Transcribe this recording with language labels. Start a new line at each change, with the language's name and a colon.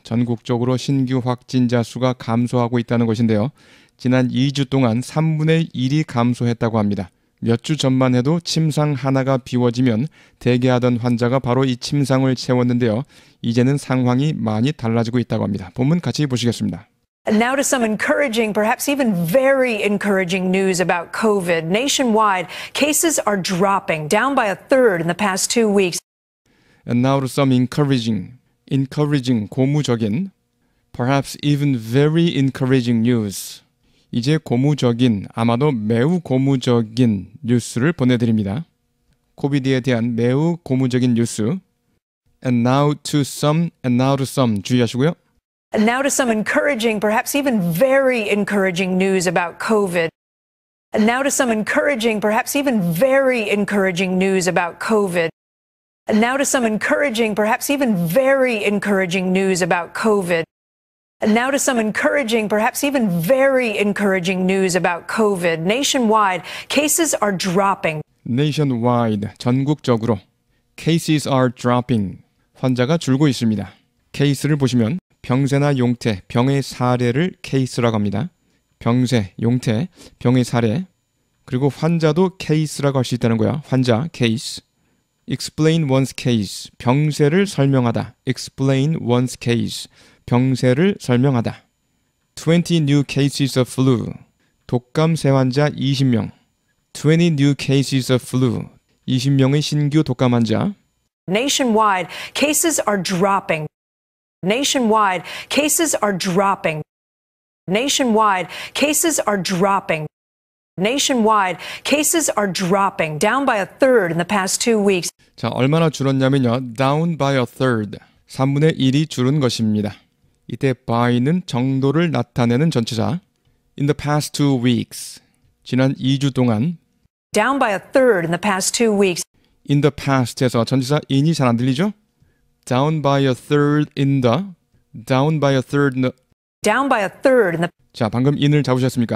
Korean: 전국적으로 신규 확진자 수가 감소하고 있다는 것인데요. 지난 2주 동안 3분의 1이 감소했다고 합니다. 몇주 전만 해도 침상 하나가 비워지면 대기하던 환자가 바로 이 침상을 채웠는데요. 이제는 상황이 많이 달라지고 있다고 합니다. 본문 같이 보시겠습니다.
English: And now to some encouraging, perhaps even very encouraging news about COVID. Nationwide, cases are dropping, down by a third in the past 2 weeks. And now to some encouraging,
Korean: 고무적인,
English: perhaps even very encouraging news.
Korean: 이제 고무적인, 아마도 매우 고무적인 뉴스를 보내드립니다. 코비드에 대한 매우 고무적인 뉴스.
English: And now to some,
Korean: 주의하시고요.
English: And now to some encouraging, perhaps even very encouraging news about COVID. And now to some encouraging, perhaps even very encouraging news about COVID. And now to some encouraging, perhaps even very encouraging news about COVID. And now to some encouraging, perhaps even very encouraging news about COVID. Nationwide, cases are dropping. Nationwide,
Korean: 전국적으로.
English: Cases are dropping.
Korean: 환자가 줄고 있습니다. Case를 보시면 병세나 용태, 병의 사례를 case라고 합니다. 병세, 용태, 병의 사례. 그리고 환자도 case라고 할 수 있다는 거야. 환자,
English: case. Explain one's case.
Korean: 병세를 설명하다.
English: Explain one's case.
Korean: 병세를 설명하다.
English: 20 new cases of flu.
Korean: 독감 새 환자 20명.
English: 20 new cases of flu.
Korean: 20명의 신규 독감 환자.
English: Nationwide, cases are dropping. Nationwide, cases are dropping. Nationwide, cases are dropping. Nationwide, cases are dropping. Down by a third in the past 2 weeks.
Korean: 자, 얼마나 줄었냐면요.
English: Down by a third.
Korean: 3분의 1이 줄은 것입니다. 이때 by는 정도를 나타내는 전치사.
English: In the past 2 weeks.
Korean: 지난 2주 동안.
English: Down by a third in the past 2 weeks. In the past
Korean: 에서 전치사 in이 잘 안 들리죠?
English: Down by a third in the. Down by a third in the. Down by a third in the.
Korean: 자, 방금 in을 잡으셨습니까?